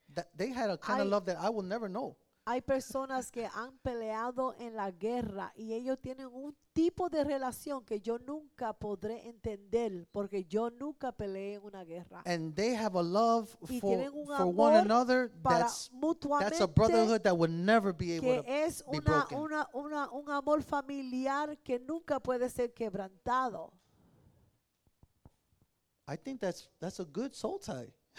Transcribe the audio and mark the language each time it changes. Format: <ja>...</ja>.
<en>That they had a kind of love that I will never know.</en> <es>Hay personas que han peleado en la guerra y ellos tienen un tipo de relación que yo nunca podré entender porque yo nunca peleé en una guerra.</es> <en>And they have a love for one another that's a brotherhood that would never be able to be broken.</en> <es>Que es un amor familiar que nunca puede ser quebrantado.</es> <en>I think that's a good soul tie.</en>